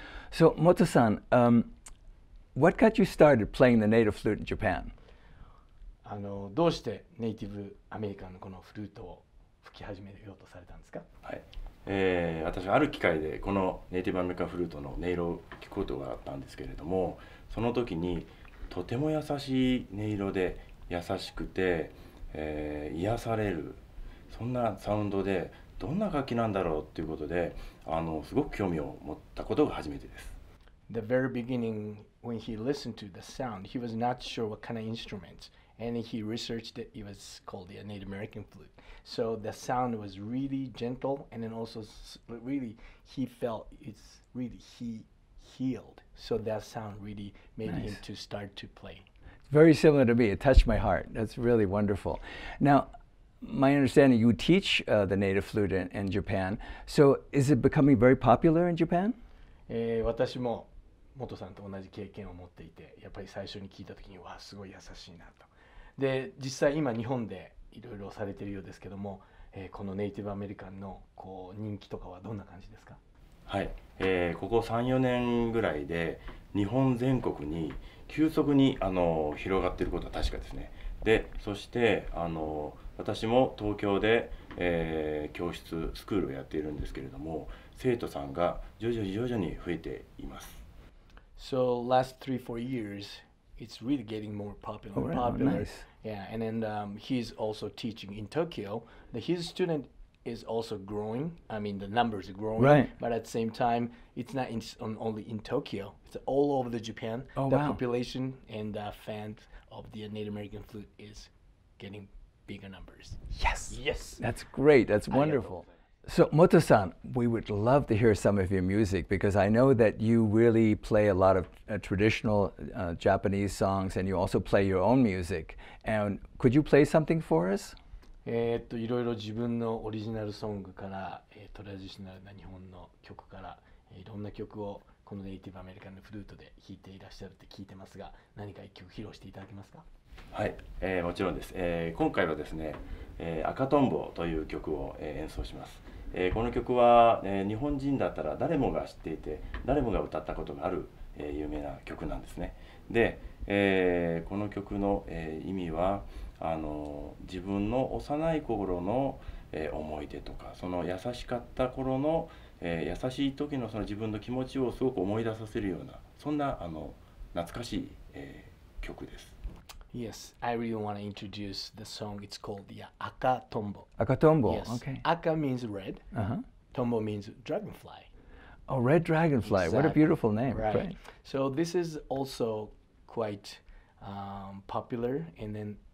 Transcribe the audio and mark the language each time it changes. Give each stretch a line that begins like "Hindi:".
English: So, Moto-san, what got you started playing the native flute in Japan?
Japanese: どうしてネイティブアメリカンのこのフルートを吹き始めようとされたんですか？はい。私はある機会でこのネイティブアメリカンフルートの音色を聞くことがあったんですけれども、その時にとても優しい音色で優しくて、癒されるそんなサウンドでどんな楽器なんだろうということで、すごく興味を持ったことが初めてです。
English: The very beginning when he listened to the sound, he was not sure what kind of instrument, and he researched it. It was called the Native American flute. So the sound was really gentle, and then also really he felt it's really he. Healed, so that sound really made nice. Him to start to play. Very similar to me. It touched my heart. That's really wonderful. Now, my understanding, you teach the native flute in Japan. So, is it becoming very popular in Japan?
Japanese: 私も Moto さんと同じ経験を持っていて、やっぱり最初に聞いた時にわあすごい優しいなと。で、実際今日本でいろいろされているようですけども、このネイティブアメリカンのこう人気とかはどんな感じですか？はい。ここ3、4年ぐらいで日本全国に急速に広がっていることは確かですね。で、そして私も東京で、教室、スクールをやっているんですけれども、生徒さんが徐々に増えています。
English: So last 3-4 years, it's really getting more popular. Yeah, and then he's also teaching in Tokyo. His studentis also growing. I mean, the numbers are growing. Right. But at the same time, it's not only in Tokyo. It's all over the Japan. Oh, the wow. population and the fans of the Native American flute is getting bigger numbers. Yes. Yes. That's great. That's wonderful. So, Moto-san, we would love to hear some of your music because I know that you really play a lot of traditional Japanese songs and you also play your own music. And could you play something for us?
Japanese: いろいろ自分のオリジナルソングから、トラディショナルな日本の曲から、いろんな曲をこのネイティブアメリカンのフルートで弾いていらっしゃるって聞いてますが、何か一曲披露していただけますか？はい、もちろんです。今回はですね、赤トンボという曲を、演奏します。この曲は、日本人だったら誰もが知っていて、誰もが歌ったことがある、有名な曲なんですね。で、この曲の、意味は、自分の幼い頃の、思い出とかその優しかった頃の、優しい時のその自分の気持ちをすごく思い出させるようなそんな懐かしい、曲です。
English: Yes, I really want to introduce the song. It's called the Aka Tombo.
Japanese: Aka Tombo.
English: Yes. Okay. Aka means red. Uh-huh. Tombo means dragonfly. Oh, red dragonfly. Exactly. What a beautiful name. Right. Great. So this is also quite popular, and then.